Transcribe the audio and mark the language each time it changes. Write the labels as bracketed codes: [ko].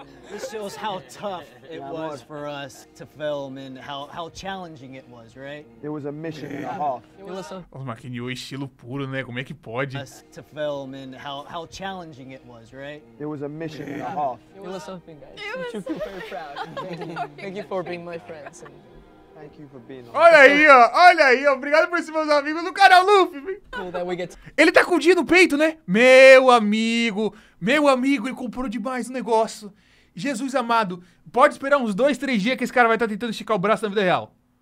[en] This shows how tough it was for us to film and how challenging it was, right? It was a mission and a half. [pt] Nossa, mas que nível estilo puro, né? Como é que pode? [en] Us to film and how challenging it was, right? It was a mission and a half. You love something, guys. You should feel very proud. Thank you for being my friends. [pt] Olha aí, ó, olha aí, ó. Obrigado por ser meus amigos no canal, Luffy. Ele tá com o dia no peito, né? Meu amigo, ele comprou demais o negócio. Jesus amado, pode esperar uns 2-3 dias que esse cara vai estar tentando esticar o braço na vida real.